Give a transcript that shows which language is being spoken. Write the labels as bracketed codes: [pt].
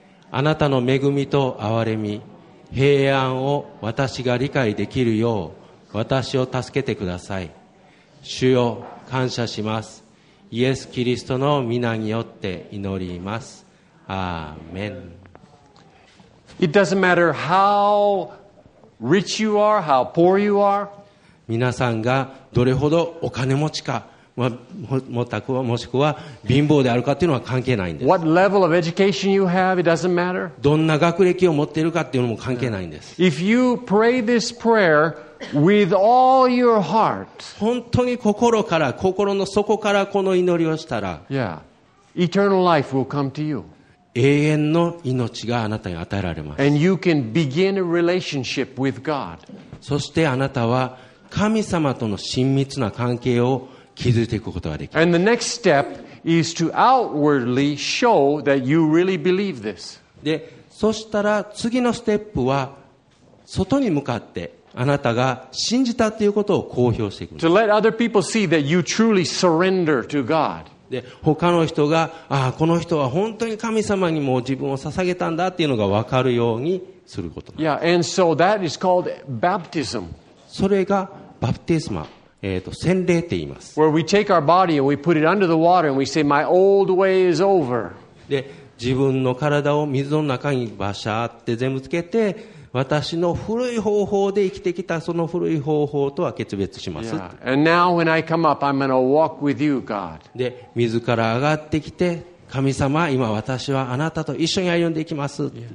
[ja] あなたの恵みと憐れみ平安を私が理解できるよう私を助けてください。主よ、感謝します。イエス・キリストの御名によって祈ります。アーメン。 [en] It doesn't matter how rich you are, how poor you are. [ja] 皆さんがどれほどお金持ちか、もしくは貧乏であるかというのは関係ないんです。 [en] What level of education you have, it doesn't matter. [ja] どんな学歴を持っているかというのも関係ないんです。 [en] If you pray this prayer,With all your heart. [ja] 本当に心から心の底からこの祈りをしたら、 [en] yeah. Eternal life will come to you. [ja] 永遠の命があなたに与えられます。 [en] And you can begin a relationship with God. [ja] そしてあなたは神様との親密な関係を築いていくことができます。 [en] And the next step is to outwardly show that you really believe this. [ja] で、そしたら次のステップは外に向かってあなたが信じたということを公表していくんです。 [en] To let other people see that you truly surrender to God. [ja] で、他の人が、ああ、この人は本当に神様にも自分を捧げたんだっていうのが分かるようにすることなんです。 [en] Yeah, and so that is called baptism. [ja] それがバプテスマ、洗礼って言います。 [en] Where we take our body and we put it under the water and we say, my old way is over. [ja] で、自分の体を水の中にバシャーって全部つけて私の古い方法で生きてきたその古い方法とは決別します。で、自ら上がってきて、神様、今私はあなたと一緒に歩んでいきます。